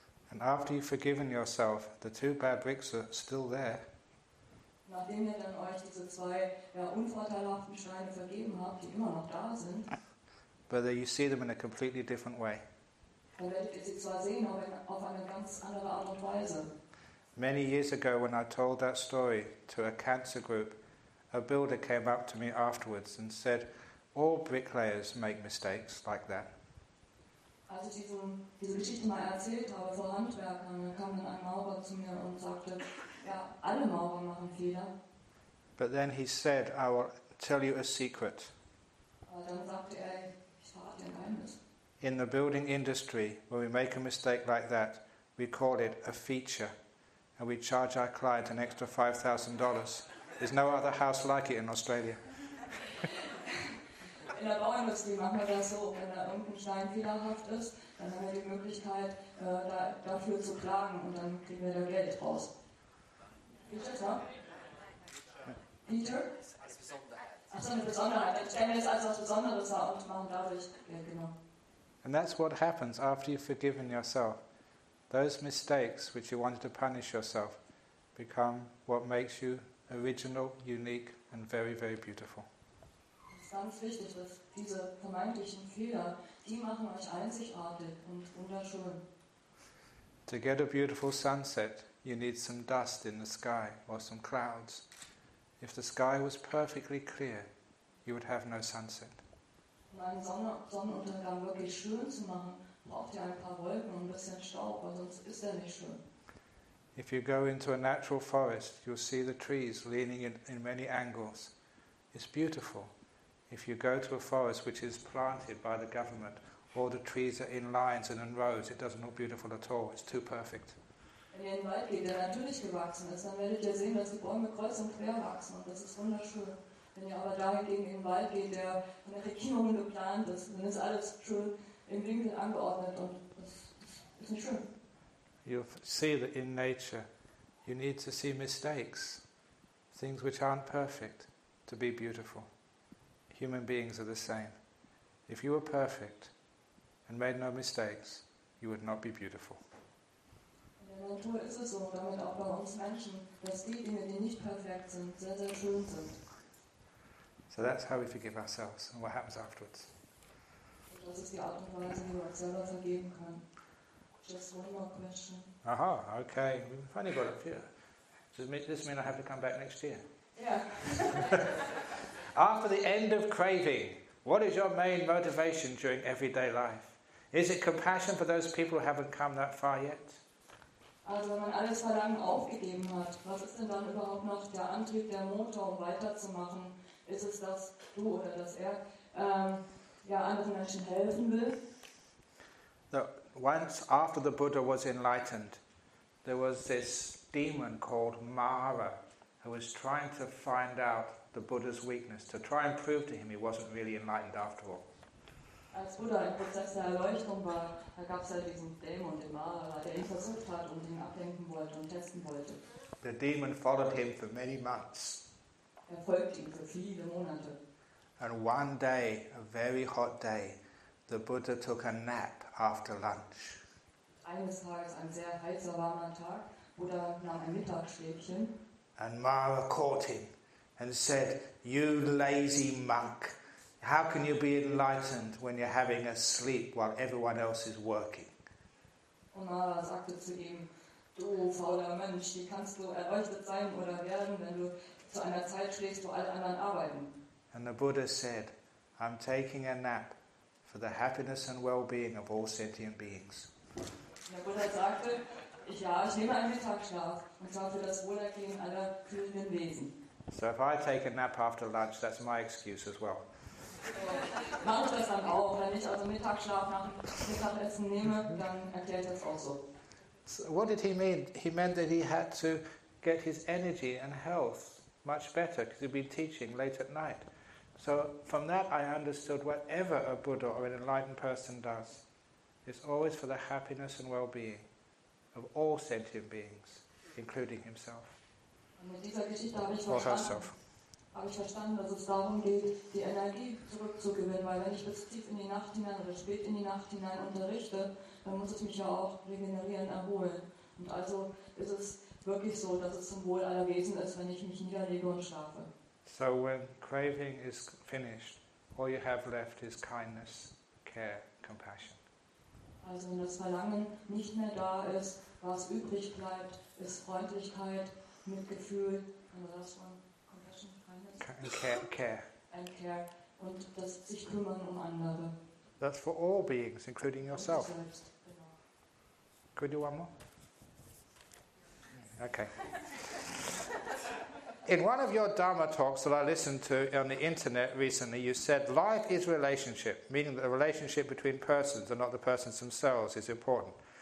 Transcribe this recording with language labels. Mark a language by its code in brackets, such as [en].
[en] And after you've forgiven yourself, the two bad bricks are still there. [de] Nachdem ihr dann euch diese zwei unvorteilhaften Steine vergeben habt, die immer noch da sind, [en] but you see them in a completely different way. [de] Dann werdet ihr sie zwar sehen, aber auf eine ganz andere Art und Weise. [en] Many years ago, when I told that story to a cancer group, a builder came up to me afterwards and said, all bricklayers make mistakes like that. [de] Als ich diese Geschichte mal erzählt habe vor Handwerkern, kam dann ein Maurer zu mir und sagte, ja, alle Maurer machen Fehler. [en] But then he said, I will tell you a secret. [de] Aber dann sagte er, ich verrate dir ein Geheimnis. [en] In the building industry, when we make a mistake like that, we call it a feature, and we charge our client an extra $5,000. There's no other house like it in Australia. [de] In der Bauindustrie machen wir das so, wenn da irgendein Stein fehlerhaft ist, dann haben wir die Möglichkeit, dafür zu klagen, und dann kriegen wir da Geld raus. Peter? Ach so, eine Besonderheit. Dann stellen wir das als was Besonderes dar und machen dadurch Geld, genau. [en] And that's what happens after you've forgiven yourself. Those mistakes which you wanted to punish yourself become what makes you original, unique, and very, very beautiful. [de] Es ist ganz wichtig, dass diese vermeintlichen Fehler, die machen euch einzigartig und wunderschön. [en] To get a beautiful sunset, you need some dust in the sky or some clouds. If the sky was perfectly clear, you would have no sunset. [de] Um einen Sonnenuntergang wirklich schön zu machen, braucht ihr ein paar Wolken und ein bisschen Staub, weil sonst ist er nicht schön. [en] If you go into a natural forest, you'll see the trees leaning in many angles. It's beautiful. If you go to a forest which is planted by the government, all the trees are in lines and in rows, it doesn't look beautiful at all. It's too perfect. [de] Wenn ihr in den Wald geht, der natürlich gewachsen ist, dann werdet ihr sehen, dass die Bäume kreuz und quer wachsen und das ist wunderschön. Wenn ihr aber dagegen in den Wald geht, der von der Regierung geplant ist, dann ist alles schön im Winkel angeordnet und das ist nicht schön. [en] You see that in nature, you need to see mistakes, things which aren't perfect, to be beautiful. Human beings are the same. If you were perfect and made no mistakes, you would not be beautiful. [de] In der Natur ist es so, und damit auch bei uns Menschen, dass die Dinge, die nicht perfekt sind, sehr, sehr schön sind. [en] So that's how we forgive ourselves and what happens afterwards. [de] Und das ist die Art und Weise, wie wir uns selber vergeben können. [en] Just one more question. Aha, okay. We've only got a few. Does this mean I have to come back next year? Yeah. After the end of craving, what is your main motivation during everyday life? Is it compassion for those people who haven't come that far yet? [de] Also, wenn man alles Verlangen aufgegeben hat, was ist denn dann überhaupt noch der Antrieb, der Motor, um weiterzumachen? Ist es, dass du oder dass anderen Menschen helfen will? [en] Once, after the Buddha was enlightened, there was this demon called Mara who was trying to find out the Buddha's weakness, to try and prove to him he wasn't really enlightened after all. [de] Als Buddha im Prozess der Erleuchtung war, da gab es ja diesen Dämon, den Mara, der ihn versucht hat und ihn ablenken wollte und testen wollte. [en] The demon followed him for many months. [de] Er folgte ihm für viele Monate. [en] And one day, a very hot day, the Buddha took a nap after lunch. [de] Eines Tages, ein sehr heißer, warmer Tag, Buddha nahm ein Mittagsschläfchen. [en] And Mara caught him and said, "You lazy monk, how can you be enlightened when you're having a sleep while everyone else is working?" [de] Und Mara sagte zu ihm, "Du fauler Mensch, wie kannst du erleuchtet sein oder werden, wenn du zu einer Zeit schläfst, wo alle anderen arbeiten?" [en] And the Buddha said, "I'm taking a nap for the happiness and well-being of all sentient beings." [de] Der Buddha sagte, ich nehme einen Mittagsschlaf und zwar für das Wohlergehen aller fühlenden Wesen. [en] So if I take a nap after lunch, that's my excuse as well. [de] Mache ich das dann auch, wenn ich also Mittagsschlaf nach Mittagessen nehme, dann erklärt das auch so. [en] So what did he mean? He meant that he had to get his energy and health much better because he'd been teaching late at night. So from that I understood whatever a Buddha or an enlightened person does is always for the happiness and well-being of all sentient beings, including himself. [de] Und mit dieser Geschichte habe ich verstanden, dass es darum geht, die Energie zurückzugewinnen, weil wenn ich bis tief in die Nacht hinein oder spät in die Nacht hinein unterrichte, dann muss ich mich ja auch regenerieren, erholen. Und also ist es wirklich so, dass es zum Wohl aller Wesen ist, wenn ich mich niederlege und schlafe. [en] So when craving is finished, all you have left is kindness, care, compassion. [de] Also wenn das Verlangen nicht mehr da ist, was übrig bleibt, ist Freundlichkeit, Mitgefühl, und das von [en] Compassion, kindness. And care. [de] Und das sich kümmern um andere. [en] That's for all beings, including yourself. Could you do one more? Okay. In one of your Dharma talks that I listened to on the internet recently, you said life is relationship, meaning that the relationship between persons and not the persons themselves is important.